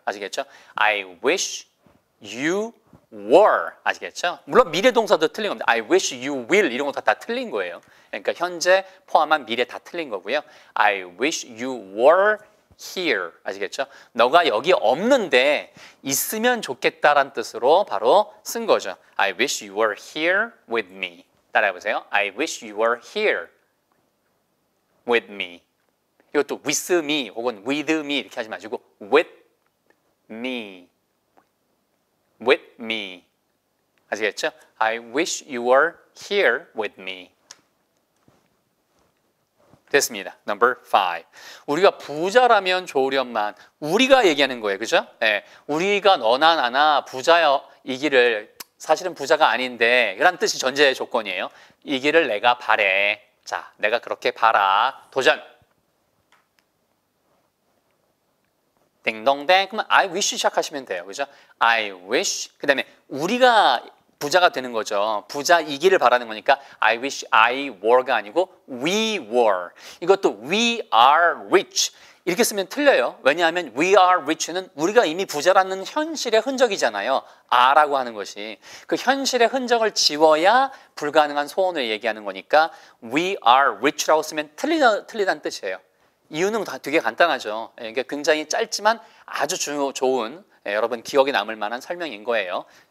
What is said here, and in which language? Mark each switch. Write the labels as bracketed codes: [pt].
[ko] 아시겠죠? [en] I wish you were. 아시겠죠? [ko] 물론 미래 동사도 틀린 겁니다. [en] I wish you will [ko] 이런 거 다 틀린 거예요. 그러니까 현재 포함한 미래 다 틀린 거고요. [en] I wish you were here. [ko] 아시겠죠? 너가 여기 없는데 있으면 좋겠다라는 뜻으로 바로 쓴 거죠. [en] I wish you were here with me. [ko] 따라해 보세요. [en] I wish you were here with me. [ko] 이것도 with me 혹은 with me 이렇게 하지 마시고 with me. [en] With me. [ko] 아시겠죠? [en] I wish you were here with me. [ko] 됐습니다. [en] Number 5. [ko] 우리가 부자라면 좋으련만. 우리가 얘기하는 거예요. 그죠? 예. 우리가 너나 나나 부자이기를 사실은 부자가 아닌데 이런 뜻이 전제 조건이에요. 이기를 내가 바래. 자, 내가 그렇게 바라. 도전! 딩동댕. 그러면 I wish 시작하시면 돼요. 그죠? [en] I wish. [ko] 그 다음에 우리가 부자가 되는 거죠. 부자이기를 바라는 거니까 [en] I wish I were [ko] 가 아니고 [en] we were. [ko] 이것도 [en] we are rich. [ko] 이렇게 쓰면 틀려요. 왜냐하면 [en] we are rich [ko] 는 우리가 이미 부자라는 현실의 흔적이잖아요. are라고 하는 것이. 그 현실의 흔적을 지워야 불가능한 소원을 얘기하는 거니까 [en] we are rich [ko] 라고 쓰면 틀리다는 뜻이에요. 이유는 다 되게 간단하죠. 그러니까 굉장히 짧지만 아주 좋은 여러분 기억에 남을 만한 설명인 거예요.